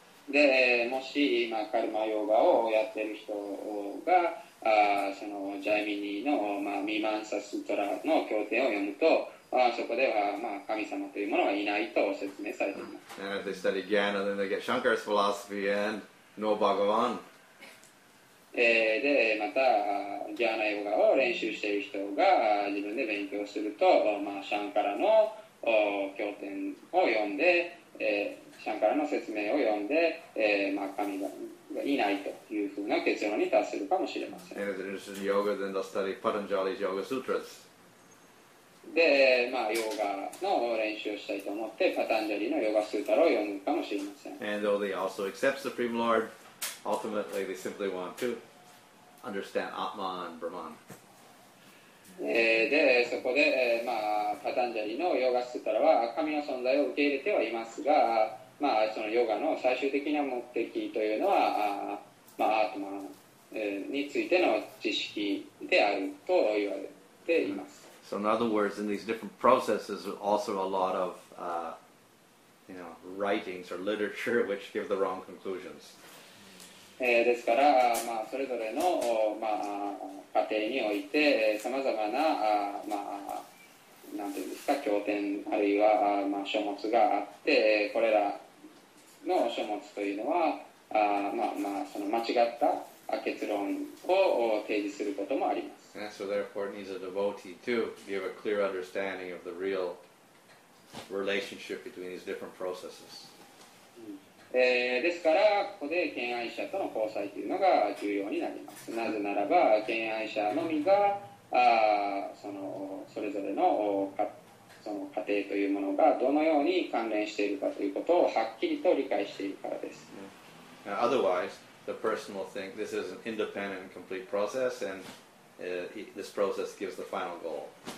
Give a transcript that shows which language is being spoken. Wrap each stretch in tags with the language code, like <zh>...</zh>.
<ja>で、もし今カルマヨガをやっている人が、そのジャイミニの、まあ、ミマンサスートラの経典を読むと、そこでは、まあ、神様というものはいないと説明されています。</ja> <en>And if they study Gyana, then they get Shankar's philosophy and no Bhagavan.</en> <ja>で、またギャーナヨガを練習している人が自分で勉強すると、まあ、シャンカラの経典を読んで、シャンカラの説明を読んで、まあ、神がいないというふうな結論に達するかもしれません。</ja> <en>And if they're interested in yoga, then they'll study Patanjali's Yoga Sutras.</en> <ja>で、まあ、ヨガの練習をしたいと思ってパタンジャリのヨガスータラを読むかもしれません。</ja> <en>And though they also accept Supreme Lord, ultimately they simply want to understand Atman and Brahman.</en> <ja>で、そこで、まあ、パタンジャリのヨガスータラは神の存在を受け入れてはいますが、まあ、そのヨガの最終的な目的というのは、まあ、アートマンについての知識であると言われています。</ja> <en>So in other words, in these different processes also a lot of you know, writings or literature which give the wrong conclusions、</en> <ja>ですから、まあ、それぞれの、まあ、過程においてさまざまな、まあ、なんていうんですか、経典あるいは、まあ、書物があって、これらの書物というのは、まあまあ、その間違った結論を提示することもあります。</ja> <en>And so therefore it needs a devotee to give a clear understanding of the real relationship between these different processes.</en> <ja>ですから、ここで見愛者との交際というのが重要になります。なぜならば、見愛者のみが、それぞれの過程その過程というものがどのように関連しているかということをはっきりと理解しているからです。</ja> <en>Yeah. Now, otherwise, the person will think this is an independent and complete process, and this process gives the final goal.</en>